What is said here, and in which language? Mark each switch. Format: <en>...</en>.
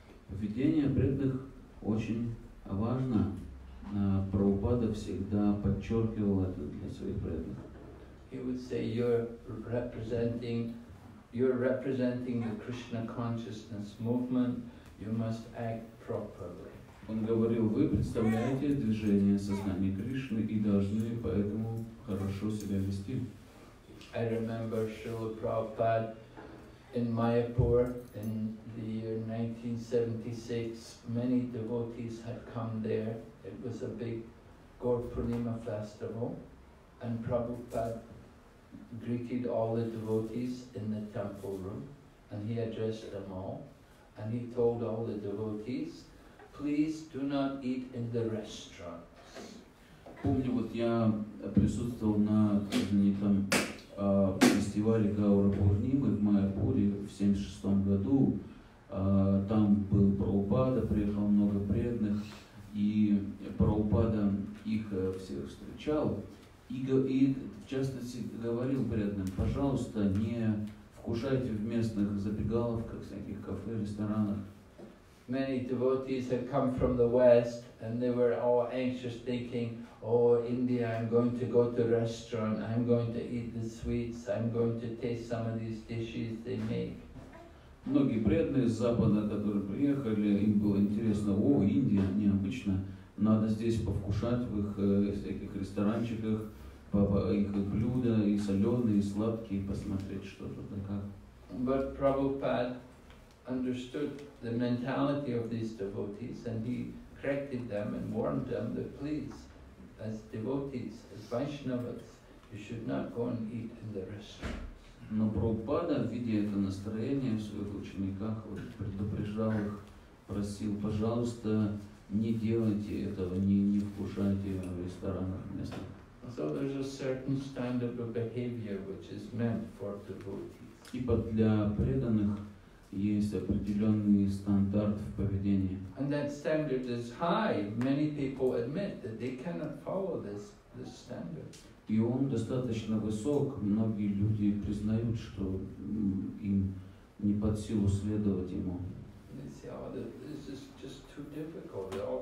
<ru>Поведение преданных очень важно. Прабхупада всегда подчеркивал это для своих преданных.</ru> <en>He would say, you're representing the Krishna consciousness movement, you must act properly.</en> <ru>Он говорил, вы представляете движение сознания Кришны и должны поэтому хорошо себя вести.</ru> <en>I remember Srila Prabhupada in Mayapur in the year 1976. Many devotees had come there. It was a big Gaur Purnima festival, and Prabhupada greeted all the devotees in the temple room, and he addressed them all, and he told all the devotees, please do not eat in the restaurants.</en> <ru>Помню, вот я присутствовал на знаменитом фестивале Гаур Пурнимы в Майяпуре в 76 году. Там был Прабхупада, приехал много преданных, и Прабхупада их всех встречал и в частности говорил преданным, пожалуйста, не вкушайте в местных забегаловках, всяких кафе, ресторанах.</ru> <en>Many devotees had come from the West and they were all anxious thinking, oh, India, I'm going to go to a restaurant, I'm going to eat the sweets, I'm going to taste some of these dishes they make.</en> <ru>Многие преданные из Запада, которые приехали, им было интересно, о, Индия, необычно, надо здесь повкушать в их всяких ресторанчиках, их блюда, и соленые, и сладкие, посмотреть, что тут и как.</ru> <en>But Prabhupada understood the mentality of these devotees and he corrected them and warned them that please, as devotees, as Vaishnavas, you should not go and eat in the restaurants.</en> <ru>Но Прабхупада, видя это настроение в своих учениках, предупреждал их, просил, пожалуйста, не делайте этого, не вкушайте в ресторанах местных.</ru> <en>So there's a certain standard of behavior which is meant for devotees.</en> <ru>Ибо для преданных есть определенный стандарт в поведении.</ru> <en>And that standard is high. Many people admit that they cannot follow this standard.</en> <ru>И он достаточно высок. Многие люди признают, что им не под силу следовать ему.</ru> <en>They say, oh, this is just too difficult.</en>